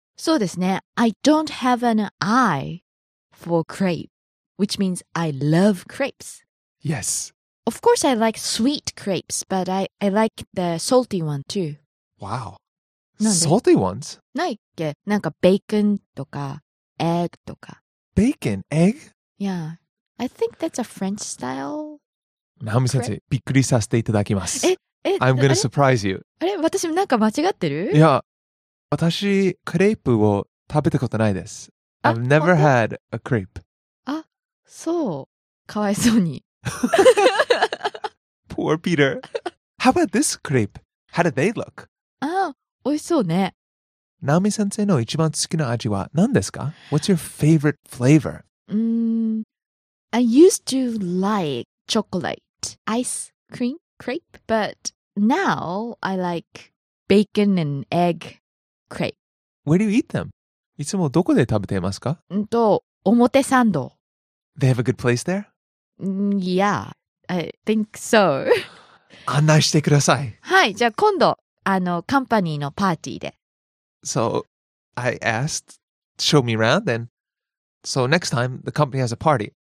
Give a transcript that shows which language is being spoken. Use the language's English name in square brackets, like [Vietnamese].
[Japanese] そうですね、 [English] I don't have an eye for crepe, which means I love crepes. Yes. Of course I like sweet crepes, but I like the salty one too. Wow. Salty ones? [Japanese] ないっけ、なんかベーコンとかエッグとか。 [English] Bacon? Egg? Yeah. I think that's a French style. [Japanese] Naomi 先生、びっくりさせていただきます。え、 [English] I'm gonna surprise you. [Japanese] あれ、私なんか間違ってる？いや、私、クレープを食べたことないです。 I've never had a crepe. あ、そう。かわいそうに。 [English] Poor Peter. How about this crepe? How did they look? [Japanese] あ、おいしそうね。 Naomi 先生の一番好きな味は何ですか？ [English] What's your favorite flavor? I used to like chocolate ice cream crepe, but now I like bacon and egg crepe. Where do you eat them? [Japanese] いつもどこで食べていますか？表参道。 [English] They have a good place there? Yeah, I think so. [Japanese] 案内してください。はい、じゃあ今度、あの、カンパニーのパーティーで。 [English] So, I asked, show me around and... So next time, the company has a party.